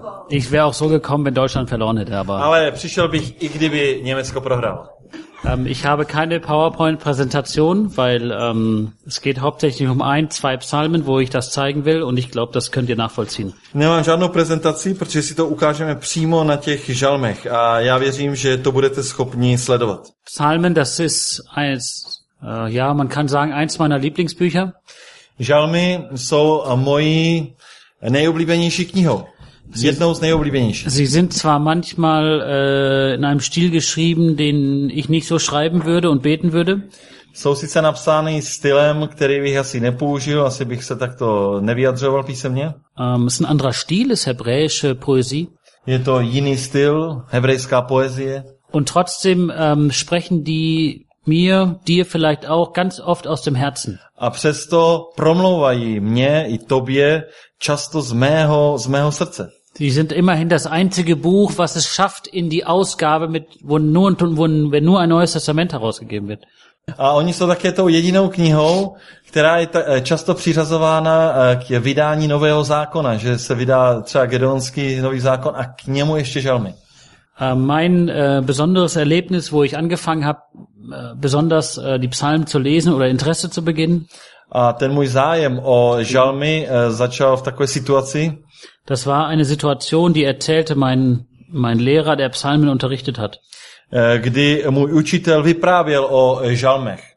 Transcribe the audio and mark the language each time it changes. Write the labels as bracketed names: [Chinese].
[German] Ich wäre auch so gekommen, wenn Deutschland verloren hätte, aber. [Czech] Ale přišel bych i kdyby Německo prohrálo. [German] Ich habe keine PowerPoint-Präsentation, weil es geht hauptsächlich um ein, zwei Psalmen, wo ich das zeigen will, und ich glaube, das könnt ihr nachvollziehen. [Czech] Nemám žádnou prezentaci, protože si to ukážeme přímo na těch žalmech, a já věřím, že to budete schopni sledovat. [German] Psalmen, das ist eins, ja, man kann sagen, eins meiner Lieblingsbücher. [Czech] Žalmy jsou mojí nejoblíbenější knihou. Jednou z nejoblíbenějších. [German] Sie sind zwar manchmal in einem Stil geschrieben, den ich nicht so schreiben würde und beten würde. [Czech] Jsou sice napsány stylem, který bych asi nepoužil, asi bych se takto nevyjadřoval písemně. [German] Es ist ein anderer Stil, ist hebräische Poesie. [Czech] Je to jiný styl, hebrejská poezie. [German] Und trotzdem sprechen die mir, dir vielleicht auch ganz oft aus dem Herzen. [Czech] A přesto promlouvají mě i tobě často z mého srdce. [German] Sie sind immerhin das einzige Buch, was es schafft in die Ausgabe mit wenn nur ein neues Testament herausgegeben wird. [Czech] A oni jsou také tou jedinou knihou, která je často přiřazována k vydání nového zákona, že se vydá třeba Gedeonský nový zákon a k němu ještě žalmy. [German] Mein besonderes Erlebnis, wo ich angefangen habe, besonders die Psalmen zu lesen oder Interesse zu beginnen. [Czech] A ten můj zájem o žalmy začal v takové situaci. [German] Das war eine Situation, die erzählte mein Lehrer, der Psalmen unterrichtet hat. [Czech] Kdy můj učitel vyprávěl o žalmech.